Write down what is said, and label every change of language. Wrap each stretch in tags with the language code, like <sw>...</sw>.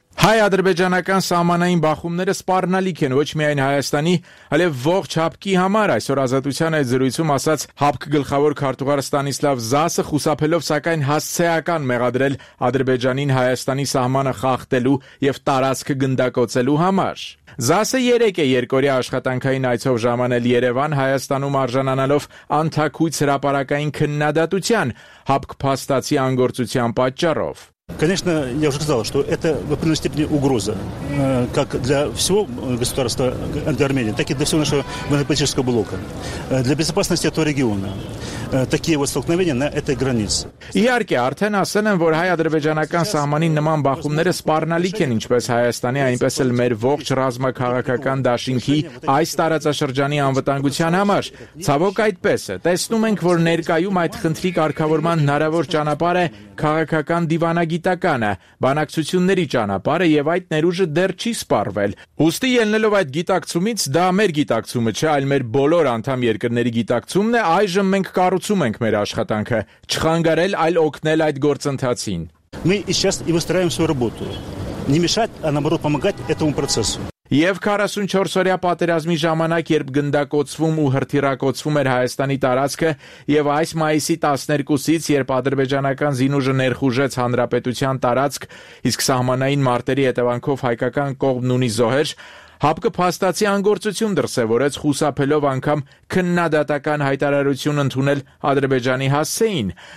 <hy>Հայ-ադրբեջանական սահմանային բախումները սպառնալիք են ոչ միայն Հայաստանի, այլև ողջ ՀԱՊԿ-ի համար, այսօր ազատության այդ զրույցում ասաց ՀԱՊԿ գլխավոր քարտուղար Ստանիսլավ Զասը, խուսափելով սակայն հասցեական մեղադրել Ադրբեջանին Հայաստանի սահմանը խախտելու և տարածքը գնդակոծելու համար։ Զասը երեկ է երկօրյա աշխատանքային այցով ժամանել Երևան, Հայաստանում արժանանալով անթաքույց հրապարակային քննադատության ՀԱՊԿ փաստացի անգործության պատճառով։</hy> <ru>Конечно, я уже сказал, что это в определенной степени угроза как для всего государства Армении, так и для всего нашего военно-политического блока, для безопасности этого региона. Такие вот столкновения на этой границе.</ru> <hy>Իհարկե, արդեն ասել եմ, որ հայ-ադրբեջանական սահմանին նման բախումները սպառնալիք են, ինչպես Հայաստանի, այնպես էլ մեր ողջ ռազմաքաղաքական դաշինքի այս տարածաշրջանի անվտանգության համար։ Ցավոք այդպես է, տեսնում ենք, որ ներկայում այդ խնդրի կարգավորման հնարավոր ճանապարհ է քաղաքական դիվանագիտականը, բանակցությունների ճանապարհը, եւ այդ ներուժը դեռ չի սպառվել։ Ուստի ելնելով այդ գիտակցումից, դա մեր գիտակցումը չէ, այլ մեր բոլոր անդամ երկրների գիտակցումն է, այժմ մենք կառուցում ենք մեր աշխատանքը, չխանգարել, այլ օգնել այդ գործընթացին։</hy> <ru>Мы сейчас и выстраиваем свою работу. Не мешать, а наоборот помогать этому процессу.</ru> <hy>Եվ 44-օրյա պատերազմի ժամանակ, երբ գնդակոծվում ու հրթիռակոծվում էր Հայաստանի տարածքը, եւ այս մայիսի 12-ից, երբ ադրբեջանական զինուժը ներխուժեց հանրապետության տարածք, իսկ սահմանային մարտերի հետևանքով հայկական կողմն ունի զոհեր, ՀԱՊԿ-ը փաստացի անգործություն դրսևորեց, խուսափելով անգամ քննադատական հայտարարություն ընդունել Ադրբեջանի հասցեին։</hy>